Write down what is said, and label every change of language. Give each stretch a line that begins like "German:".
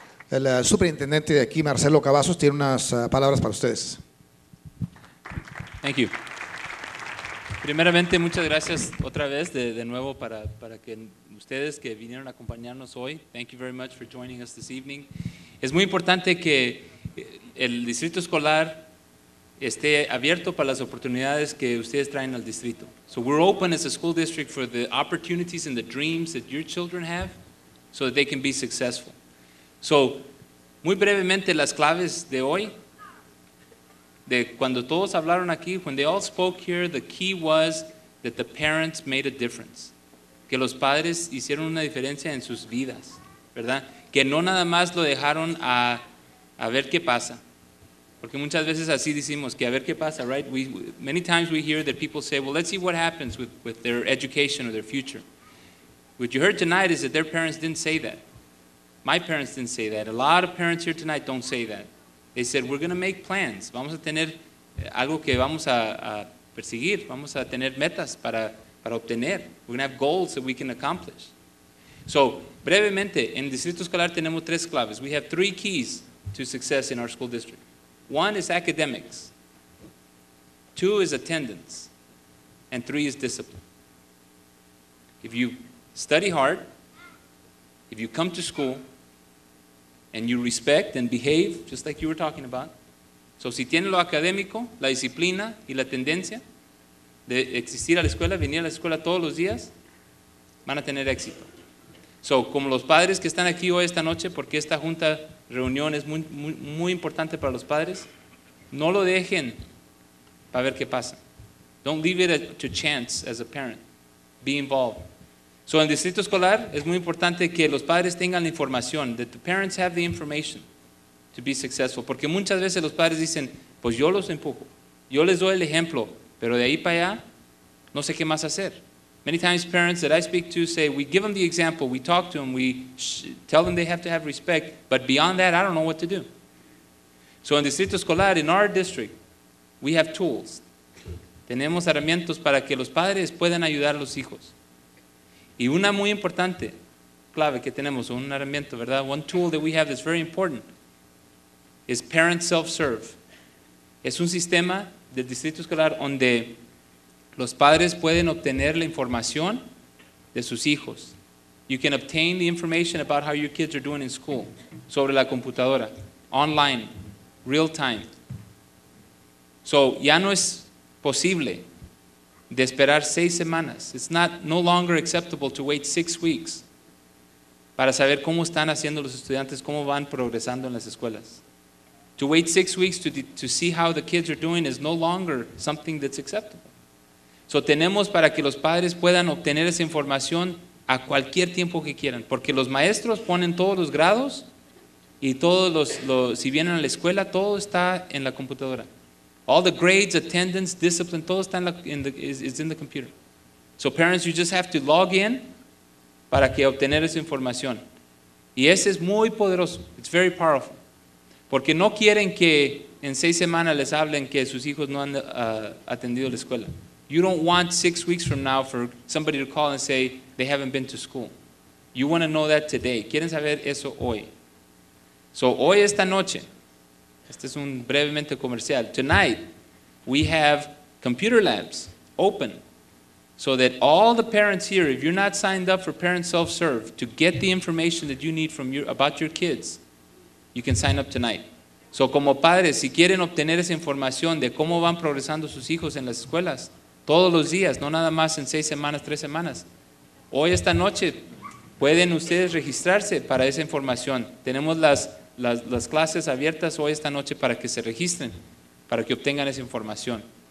Spanish: El superintendente de aquí, Marcelo Cavazos, tiene unas palabras para ustedes.
English: Thank you.
Spanish: Primeramente, muchas gracias otra vez de nuevo para que ustedes que vinieron a acompañarnos hoy.
English: Thank you very much for joining us this evening.
Spanish: Es muy importante que el distrito escolar esté abierto para las oportunidades que ustedes traen al distrito.
English: So we're open as a school district for the opportunities and the dreams that your children have so that they can be successful. So,
Spanish: muy brevemente, las claves de hoy, de cuando todos hablaron aquí,
English: when they all spoke here, the key was that the parents made a difference.
Spanish: Que los padres hicieron una diferencia en sus vidas, ¿verdad? Que no nada más lo dejaron a ver qué pasa. Porque muchas veces así decimos, que a ver qué pasa, right?
English: Many times we hear that people say, well, let's see what happens with their education or their future. What you heard tonight is that their parents didn't say that. My parents didn't say that. A lot of parents here tonight don't say that. They said, we're going to make plans.
Spanish: Vamos a tener algo que vamos a perseguir. Vamos a tener metas para obtener.
English: We're going to have goals that we can accomplish.
Spanish: So, brevemente, en el Distrito Escolar tenemos tres claves.
English: We have three keys to success in our school district. One is academics. Two is attendance. And three is discipline. If you study hard, if you come to school and you respect and behave, just like you were talking about,
Spanish: so si tiene lo académico, la disciplina y la tendencia de existir a la escuela, venir a la escuela todos los días, van a tener éxito. So, como los padres que están aquí hoy esta noche, porque esta junta reunión es muy, muy, muy importante para los padres, no lo dejen para ver qué pasa.
English: Don't leave it to chance as a parent. Be involved.
Spanish: So en el distrito escolar es muy importante que los padres tengan la información,
English: that the parents have the information. to be successful.
Spanish: Porque muchas veces los padres dicen, pues yo los empujo, yo les doy el ejemplo, pero de ahí para allá, no sé qué más hacer.
English: Many times parents that I speak to say, we give them the example, we talk to them, we tell them they have to have respect, but beyond that, I don't know what to do. So in Distrito Escolar, in our district, we have tools.
Spanish: Tenemos herramientas para que los padres puedan ayudar a los hijos. Y una muy importante, clave que tenemos, un herramienta, ¿verdad?
English: One tool that we have that's very important is parent self-serve.
Spanish: Es un sistema del Distrito Escolar donde los padres pueden obtener la información de sus hijos.
English: You can obtain the information about how your kids are doing in school,
Spanish: sobre la computadora,
English: online, real time.
Spanish: So, ya no es posible de esperar 6 semanas.
English: It's not no longer acceptable to wait 6 weeks
Spanish: para saber cómo están haciendo los estudiantes, cómo van progresando en las escuelas.
English: To wait 6 weeks to see how the kids are doing is no longer something that's acceptable.
Spanish: So tenemos para que los padres puedan obtener esa información a cualquier tiempo que quieran. Porque los maestros ponen todos los grados y todos los si vienen a la escuela, todo está en la computadora.
English: All the grades, attendance, discipline,
Spanish: todo está
English: in the computer. So parents, you just have to log in
Spanish: para que obtener esa información. Y ese es muy poderoso.
English: It's very powerful.
Spanish: Porque no quieren que en 6 semanas les hablen que sus hijos no han atendido la escuela.
English: You don't want 6 weeks from now for somebody to call and say they haven't been to school. You want to know that today.
Spanish: Quieren saber eso hoy. So hoy esta noche, este es un brevemente comercial.
English: Tonight, we have computer labs open so that all the parents here, if you're not signed up for parent self-serve to get the information that you need from your, about your kids, you can sign up tonight.
Spanish: So como padres, si quieren obtener esa información de cómo van progresando sus hijos en las escuelas, todos los días, no nada más en 6 semanas, 3 semanas. Hoy, esta noche, pueden ustedes registrarse para esa información. Tenemos las clases abiertas hoy esta noche para que se registren, para que obtengan esa información.